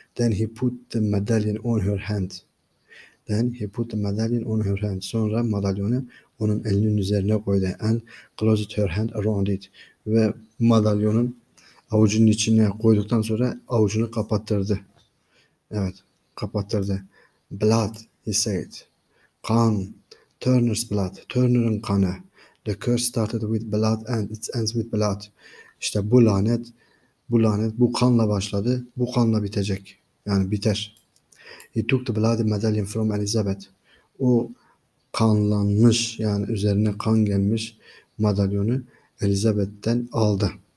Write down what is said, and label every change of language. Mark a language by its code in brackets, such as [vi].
[en] Then he put the medallion on her hand. Then he put the medallion on her hand. [tr] Sonra madalyonu onun elinin üzerine koydu. [en] And closed her hand around it. [tr] Ve madalyonun avucunun içine koyduktan sonra avucunu kapattırdı. Evet, kapattırdı. [en] Blood, he said. [tr] Kan. [en] Turner's blood. [tr] Turner'ın kanı. [en] The curse started with blood and it ends with blood. [tr] İşte bu lanet, bu lanet bu kanla başladı, bu kanla bitecek. Yani biter. [en] He took the bloody medallion from Elizabeth. [tr] O kanlanmış, yani üzerine kan gelmiş madalyonu Elizabeth'ten aldı.